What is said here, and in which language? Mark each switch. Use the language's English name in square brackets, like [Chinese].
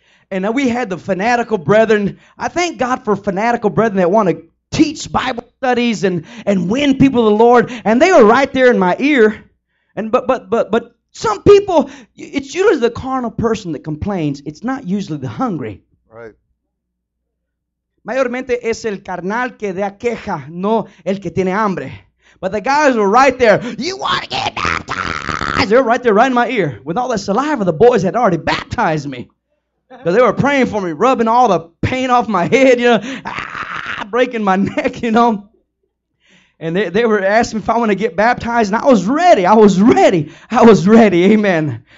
[English] And we had the fanatical brethren. I thank God for fanatical brethren that want to teach Bible studies and win people to the Lord. And they were right there in my ear. And but some people, it's usually the carnal person that complains. It's not usually the hungry. Right. [Spanish] Mayormente es el carnal que da queja, no el que tiene hambre. [English] But the guys were right there. You want to get baptized? They were right there, right in my ear. With all the saliva, the boys had already baptized me. So they were praying for me, rubbing all the pain off my head, you know, breaking my neck, you know. And they were asking if I want to get baptized, and I was ready. I was ready. I was ready. Amen.